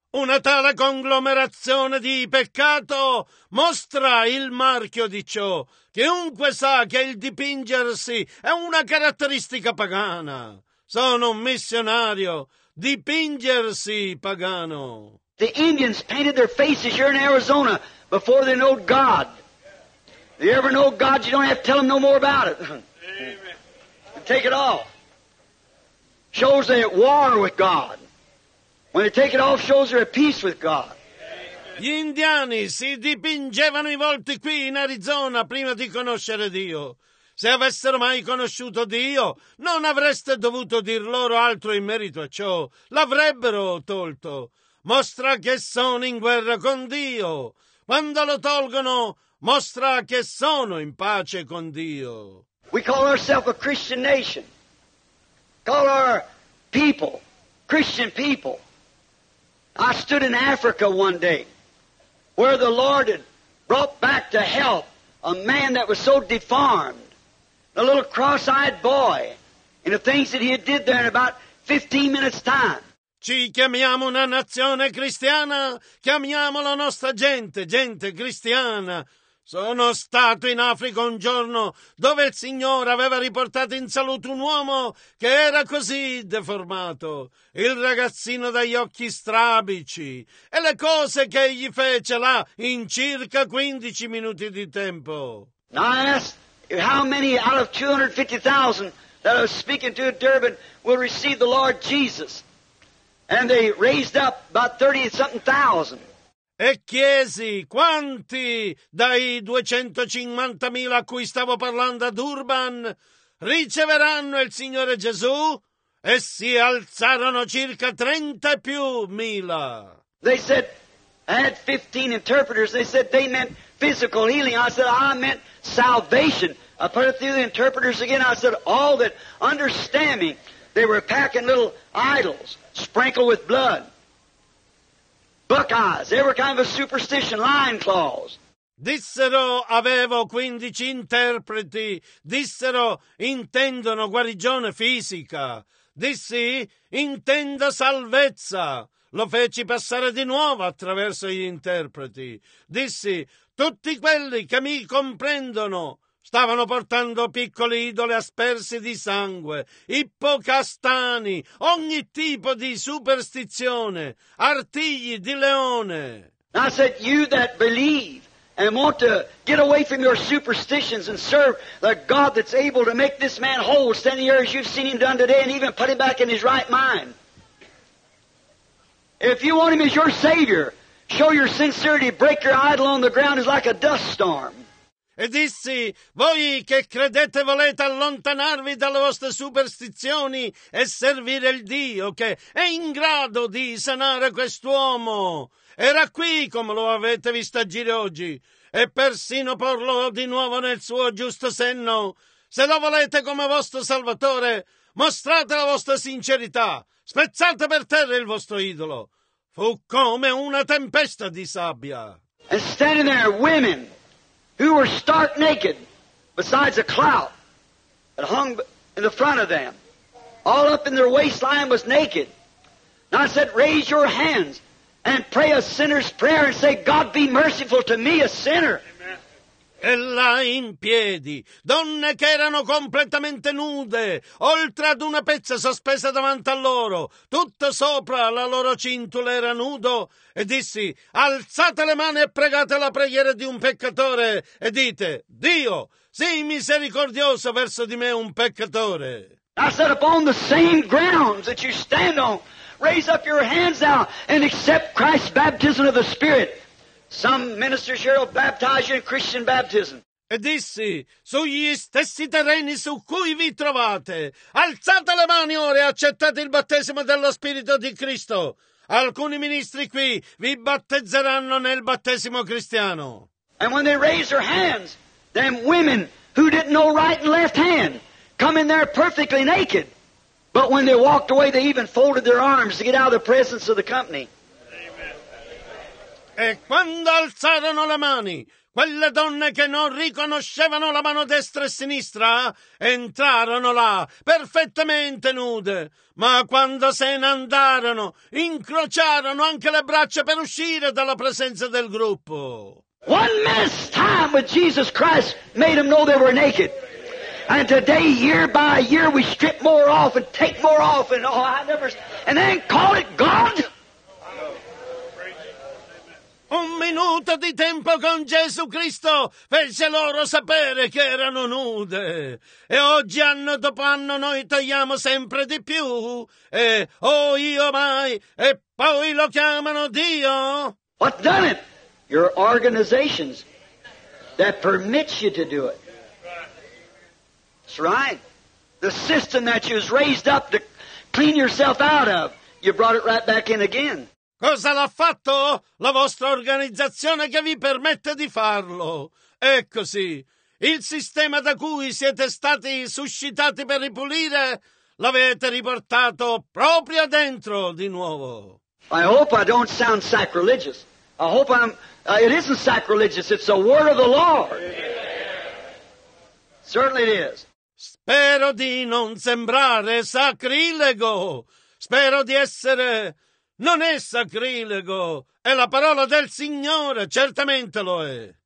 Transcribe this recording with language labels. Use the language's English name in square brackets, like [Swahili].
[Italian] Una tale conglomerazione di peccato mostra il marchio di ciò. Chiunque sa che il dipingersi è una caratteristica pagana. Sono un missionario. Dipingersi pagano. [English] The Indians painted their faces here in Arizona before they knew God. You ever know God, you don't have to tell them no more about it. Amen. Take it off. Shows they're at war with God. When they take it off, shows they're at peace with God. Amen. [Italian] Gli indiani si dipingevano i volti qui in Arizona prima di conoscere Dio. Se avessero mai conosciuto Dio, non avreste dovuto dir loro altro in merito a ciò. L'avrebbero tolto. Mostra che sono in guerra con Dio. Quando lo tolgono, mostra che sono in pace con Dio. [English] We call ourselves a Christian nation. Call our people Christian people. I stood in Africa one day where the Lord had brought back to health a man that was so deformed, a little cross-eyed boy, and the things that he had did there in about 15 minutes' time. [Italian] Ci chiamiamo una nazione cristiana, chiamiamo la nostra gente, gente cristiana. Sono stato in Africa un giorno dove il Signore aveva riportato in salute un uomo che era così deformato, il ragazzino dagli occhi strabici, e le cose che egli fece là in circa 15 minuti di tempo. [English] Now I asked how many out of 250,000 that I was speaking to in Durban will receive the Lord Jesus. And they raised up about 30-something thousand. [Italian] E chiesi quanti dai 250,000 a cui stavo parlando a Durban riceveranno il Signore Gesù? E si alzarono circa 30 e più mila. [English] They said, I had 15 interpreters. They said they meant physical healing. I said, I meant salvation. I put it through the interpreters again. I said, all that understand me. They were packing little idols sprinkled with blood. Buckeyes, every kind of a superstition, lion claws. [Italian] Dissero, avevo 15 interpreti. Dissero, intendono guarigione fisica. Dissi, intendo salvezza. Lo feci passare di nuovo attraverso gli interpreti. Dissi, tutti quelli che mi comprendono stavano portando piccoli idoli aspersi di sangue, ippocastani, ogni tipo di superstizione, artigli di leone. [English] I said, you that believe and want to get away from your superstitions and serve the God that's able to make this man whole, standing here as you've seen him done today and even put him back in his right mind. If you want him as your Savior, show your sincerity, break your idol on the ground is like a dust storm. [Italian] E dissi, voi che credete volete allontanarvi dalle vostre superstizioni e servire il Dio che è in grado di sanare quest'uomo. Era qui come lo avete visto agire oggi. e persino porlo di nuovo nel suo giusto senno. Se lo volete come vostro salvatore, mostrate la vostra sincerità, spezzate per terra il vostro idolo. Fu come una tempesta di sabbia. [English] And standing there, women who were stark naked besides a clout that hung in the front of them, all up in their waistline was naked. And I said, raise your hands and pray a sinner's prayer and say, God be merciful to me, a sinner. [Italian] E là in piedi, donne che erano completamente nude, oltre ad una pezza sospesa davanti a loro, tutta sopra la loro cintola era nudo, e dissi, alzate le mani e pregate la preghiera di un peccatore, e dite, Dio, sii misericordioso verso di me un peccatore. [English] I said, upon the same grounds that you stand on, raise up your hands now and accept Christ's baptism of the Spirit. Some ministers here will baptize you in Christian baptism. [Italian] E dissi, sugli stessi terreni su cui vi trovate, alzate le mani ora e accettate il battesimo dello Spirito di Cristo. Alcuni ministri qui vi battezzeranno nel battesimo cristiano. [English] And when they raise their hands, them women who didn't know right and left hand come in there perfectly naked. But when they walked away, they even folded their arms to get out of the presence of the company. [Italian] E quando alzarono le mani, quelle donne che non riconoscevano la mano destra e sinistra, entrarono là, perfettamente nude. Ma quando se ne andarono, incrociarono anche le braccia per uscire dalla presenza del gruppo. [English] One minute's time with Jesus Christ made them know they were naked. And today, year by year, we strip more off and take more off and oh, I never... And then call it God? [Italian] Un minuto di tempo con Gesù Cristo fece loro sapere che erano nude. E oggi, anno dopo anno, noi tagliamo sempre di più. E oh, io mai, e poi lo chiamano Dio. [English] What's done it? Your organizations that permit you to do it. That's right. The system that you was raised up to clean yourself out of, you brought it right back in again. [Italian] Cosa l'ha fatto? La vostra organizzazione che vi permette di farlo. È così. Il sistema da cui siete stati suscitati per ripulire, l'avete riportato proprio dentro di nuovo. [English] I hope I don't sound sacrilegious. I hope I'm... it isn't sacrilegious, it's the word of the Lord. Certainly it is. [Italian] Spero di non sembrare sacrilego. Spero di essere... Non è sacrilego, è la parola del Signore, certamente lo è.